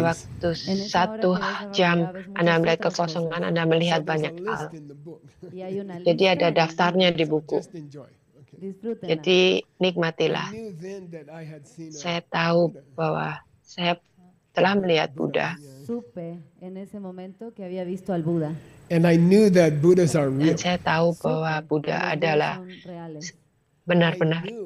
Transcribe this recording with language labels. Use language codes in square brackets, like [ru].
[id] waktu satu jam Anda melihat kekosongan, Anda melihat banyak hal. Jadi ada daftarnya di buku. Jadi nikmatilah. Saya tahu bahwa saya telah melihat Buddha. [es] Supe en ese momento que había visto al Buddha. [en] And I knew that Buddhas are real. [id] Dan saya tahu bahwa Buddha adalah benar-benar.